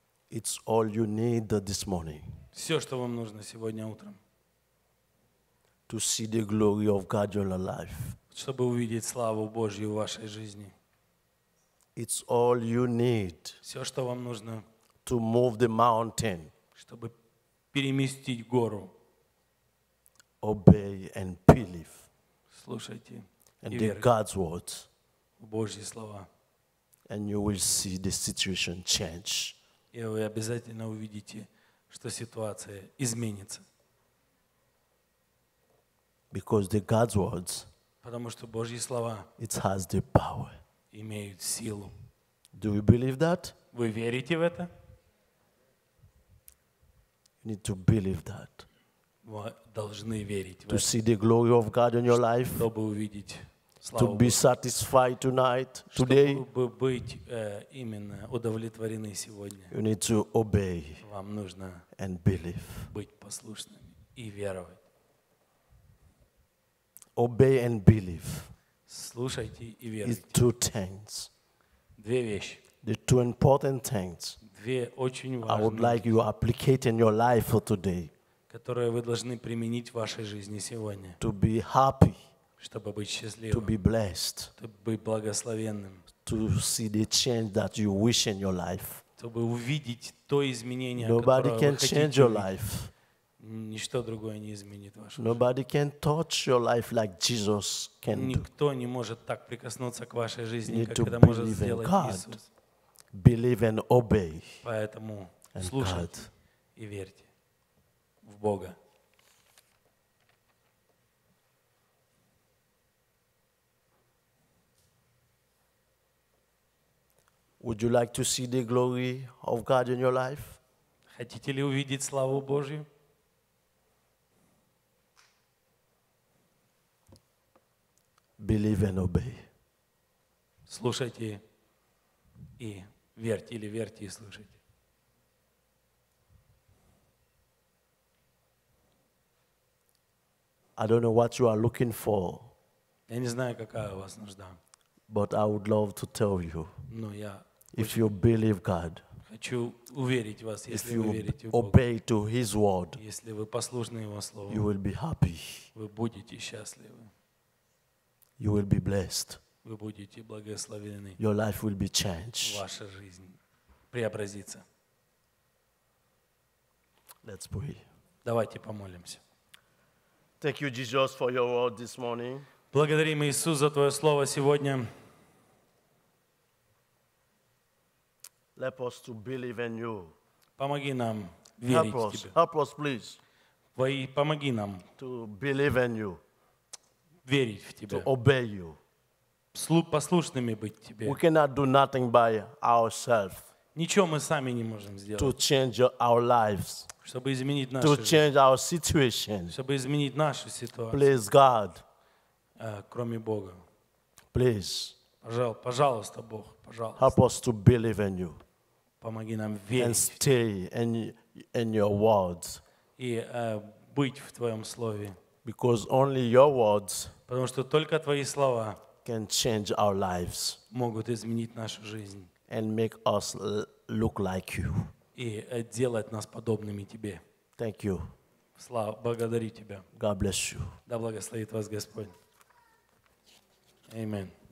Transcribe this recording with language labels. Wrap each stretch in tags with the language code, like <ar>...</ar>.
<en>It's all you need this morning.</en> <ru>Все, что вам нужно сегодня утром.</ru> <en>To see the glory of God in your life.</en> <ru>Чтобы увидеть славу Божью в вашей жизни.</ru> <en>It's all you need.</en> <ru>Все, что вам нужно.</ru> <en>To move the mountain.</en> <ru>Чтобы переместить гору.</ru> <en>Obey and believe.</en> <ru>Слушайте</ru> <en>and the God's words.</en> <ru>Божьи слова.</ru> <en>And you will see the situation change.</en> <ru>И вы обязательно увидите, что ситуация изменится.</ru> <en>Because the God's words,</en> <ru>потому что Божьи слова,</ru> <en>it has the power.</en> <ru>Имеют силу.</ru> <en>Do you believe that?</en> <ru>Вы верите в это?</ru> <en>You need to believe that.</en> <ru>Вы должны верить в</ru> <en>to See the glory of God in your life.</en> <ru>Чтобы увидеть.</ru> <en>To be satisfied tonight, today.</en> <ru>Чтобы быть именно удовлетворены сегодня.</ru> <en>You need to obey.</en> <ru>Вам нужно</ru> <en>and believe.</en> <ru>Быть послушным и веровать.</ru> <en>Obey and believe.</en> <ru>Слушайте и верите.</ru> <en>It's two things.</en> <ru>Две вещи.</ru> <en>The two important things.</en> <ru>Две очень важные.</ru> <en>I would like you applicate in your life for today.</en> <ru>Которые вы должны применить в вашей жизни сегодня.</ru> <en>To be happy.</en> <ru>Чтобы быть счастливым.</ru> <en>To be blessed.</en> <ru>Чтобы быть благословенным.</ru> <en>To see the change that you wish in your life.</en> <ru>Чтобы увидеть то изменение, которое вы хотите.</ru> <en>Nobody can change your life.</en> <ru>Ничто другое не изменит вашу жизнь.</ru> <en>Nobody can touch your life like Jesus can do.</en> <ru>Никто не может так прикоснуться к вашей жизни, как это может сделать Иисус.</ru> <en>Believe and obey.</en> <ru>Поэтому слушайте и верьте в Бога.</ru> <en>Would you like to see the glory of God in your life?</en> <ru>Хотите ли увидеть славу Божью?</ru> <en>Believe and obey.</en> <ru>Слушайте и верьте или верьте и слушайте.</ru> <en>I don't know what you are looking for.</en> <ru>Я не знаю, какая у вас нужда.</ru> <en>But I would love to tell you.</en> <ru>Но я</ru> <en>If you believe God,</en> <ru>хочу уверить вас, если вы верите в Бога,</ru> <en>obey to His word,</en> <ru>если вы послушны Его слову,</ru> <en>you will be happy,</en> <ru>вы будете счастливы,</ru> <en>you will be blessed,</en> <ru>вы будете благословены,</ru> <en>your life will be changed,</en> <ru>ваша жизнь преобразится.</ru> <en>Let's pray.</en> <ru>Давайте помолимся.</ru> <en>Thank you, Jesus, for your word this morning.</en> <ru>Благодарим Иисус за Твое слово сегодня.</ru> <en>Help us to believe in you.</en> <ru>Помоги нам верить в Тебя.</ru> <en>Help us, please.</en> <ru>Помоги нам.</ru> <en>To believe in you.</en> <ru>Верить в Тебя.</ru> <en>To obey you.</en> <ru>Послушными быть Тебе.</ru> <en>We cannot do nothing by ourselves.</en> <ru>Ничего мы сами не можем сделать.</ru> <en>To change our lives.</en> <ru>Чтобы изменить нашу жизнь.</ru> <en>To change our situation.</en> <ru>Чтобы изменить нашу ситуацию.</ru> <en>Please, God.</en> <ru>Кроме Бога.</ru> <en>Please.</en> <ru>Пожалуйста, Бог, пожалуйста.</ru> <en>Help us to believe in you.</en> <ru>Помоги нам верить.</ru> <en>And stay in your words.</en> <ru>И быть в Твоем слове.</ru> <en>Because only your words.</en> <ru>Потому что только Твои слова.</ru> <en>Can change our lives.</en> <ru>Могут изменить нашу жизнь.</ru> <en>And make us look like you.</en> <ru>И делать нас подобными Тебе.</ru> <en>Thank you.</en> <ru>Слава, благодарю Тебя.</ru> <en>God bless you.</en> <ru>Да благословит вас Господь.</ru> <en>Amen.</en>